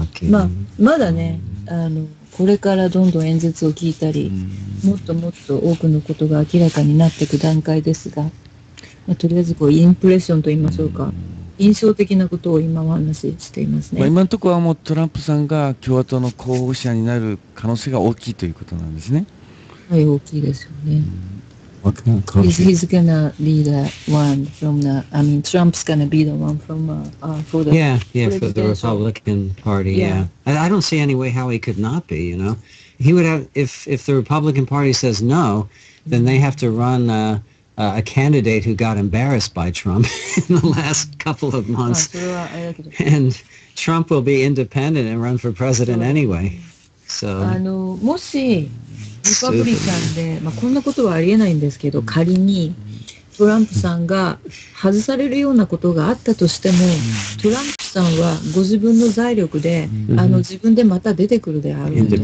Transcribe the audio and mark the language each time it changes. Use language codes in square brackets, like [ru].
[ja] まあ、まだね、あの、これからどんどん演説を聞いたり、もっともっと多くのことが明らかになっていく段階ですが、まあ、とりあえずこうインプレッションと言いましょうか、印象的なことを今話していますね。まあ、今のところはもうトランプさんが共和党の候補者になる可能性が大きいということなんですね。はい、大きいですよね。 [en] He's gonna be the one from the, I mean, Trump's gonna be the one from, for the... Yeah, yeah, for the Republican Party, yeah. I don't see any way how he could not be, you know. He would have, if the Republican Party says no, then they have to run a candidate who got embarrassed by Trump in the last couple of months. And Trump will be independent and run for president anyway. So... [ja] もし、リパブリカンで、まあ、こんなことはありえないんですけど、仮にトランプさんが外されるようなことがあったとしても、トランプさんはご自分の財力で、自分でまた出てくるであろう。